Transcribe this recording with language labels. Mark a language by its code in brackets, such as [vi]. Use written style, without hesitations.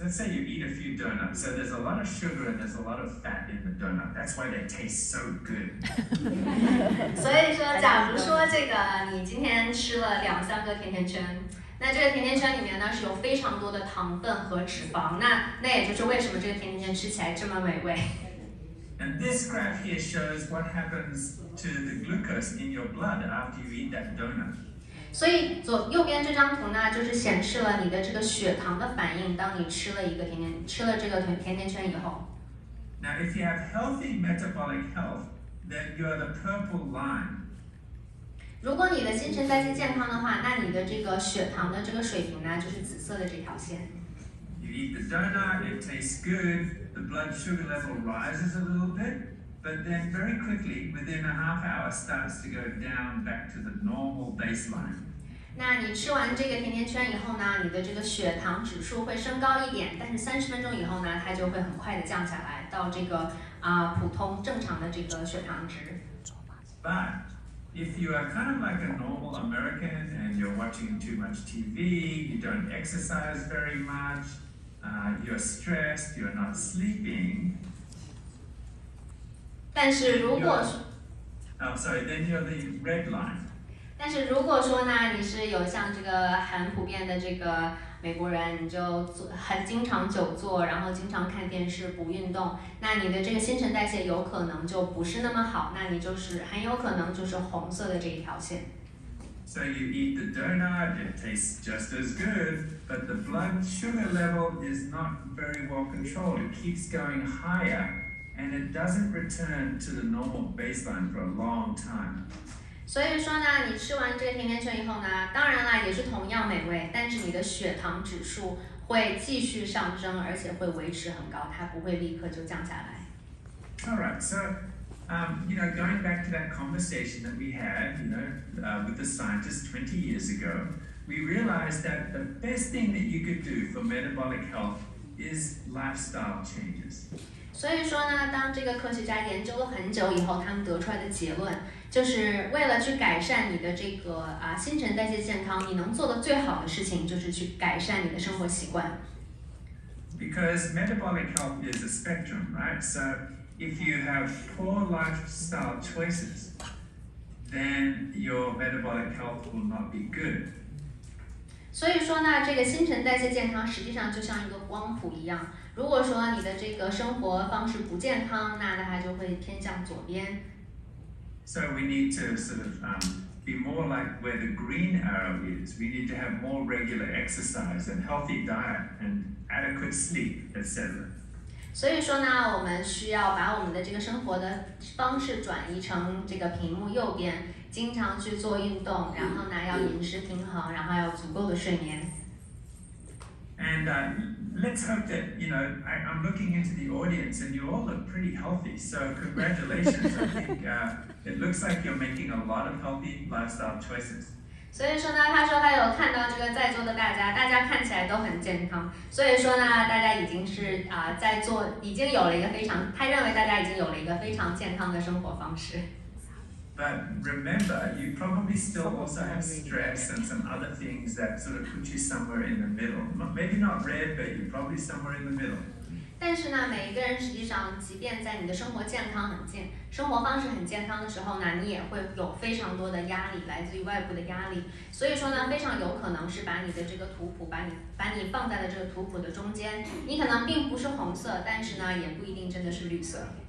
[en] Let's say you eat a few donuts. So there's a lot of sugar and there's a lot of fat in the donut. That's why they taste so good. [zh] 所以说，假如说这个你今天吃了两三个甜甜圈，那这个甜甜圈里面呢是有非常多的糖分和脂肪。那也就是为什么这个甜甜圈吃起来这么美味。 [en] And this graph here shows what happens to the glucose in your blood after you eat that donut. [zh] 所以右边这张图呢，就是显示了你的这个血糖的反应，当你吃了这个甜甜圈以后。 [en] Now, if you have healthy metabolic health, then you are the purple line. [zh] 如果你的新陈代谢健康的话，那你的这个血糖的这个水平呢，就是紫色的这条线。 [en] You eat the donut, it tastes good, the blood sugar level rises a little bit, but then very quickly, within a half hour, starts to go down back to the normal baseline. [zh] 那你吃完这个甜甜圈以后呢，你的这个血糖指数会升高一点，但是30分钟以后呢，它就会很快的降下来到这个啊、普通正常的这个血糖值。 [en] But if you are kind of like a normal American and you're watching too much TV, you don't exercise very much, you're stressed, you're not sleeping. [zh] 但是如果说 [en] then you're the red line. [zh] 但是如果说呢，你是有像这个很普遍的这个美国人，你就很经常久坐，然后经常看电视不运动，那你的这个新陈代谢有可能就不是那么好，那你就是很有可能就是红色的这一条线。 [en] So you eat the donut, it tastes just as good, but the blood sugar level is not very well controlled. It keeps going higher.And it doesn't return to the normal baseline for a long time. [zh] 所以说呢，你吃完这个甜甜圈以后呢，当然啦，也是同样美味，但是你的血糖指数会继续上升，而且会维持很高，它不会立刻就降下来。 [en] All right, so, you know, going back to that conversation that we had, you know, with the scientists 20 years ago, we realized that the best thing that you could do for metabolic health is lifestyle changes. [zh] 所以说呢，当这个科学家研究了很久以后，他们得出来的结论就是为了去改善你的这个啊新陈代谢健康，你能做的最好的事情就是去改善你的生活习惯。 [en] Because metabolic health is a spectrum, right? So if you have poor lifestyle choices, then your metabolic health will not be good. [zh] 所以说呢，这个新陈代谢健康实际上就像一个光谱一样。如果说你的这个生活方式不健康，那它就会偏向左边。 [en] So we need to sort of be more like where the green arrow is. We need to have more regular exercise and healthy diet and adequate sleep, etc. [zh] 所以说呢，我们需要把我们的这个生活的方式转移成这个屏幕右边，经常去做运动，然后呢要饮食平衡，然后要足够的睡眠。 [en] And let's hope that, you know, I'm looking into the audience and you all look pretty healthy. So congratulations, I think. It looks like you're making a lot of healthy lifestyle choices. [zh] 所以说呢，他说他有看到这个在座的大家，大家看起来都很健康。所以说呢，大家已经是在做，已经有了一个非常，他认为大家已经有了一个非常健康的生活方式。 [en] But remember, you probably still also have stress and some other things that sort of put you somewhere in the middle. Maybe not red, but you're probably somewhere in the middle. [zh] 但是呢，每一个人实际上，即便在你的生活健康很健，生活方式很健康的时候呢，你也会有非常多的压力，来自于外部的压力。所以说呢，非常有可能是把你的这个图谱，把你放在了这个图谱的中间。你可能并不是红色，但是呢，也不一定真的是绿色。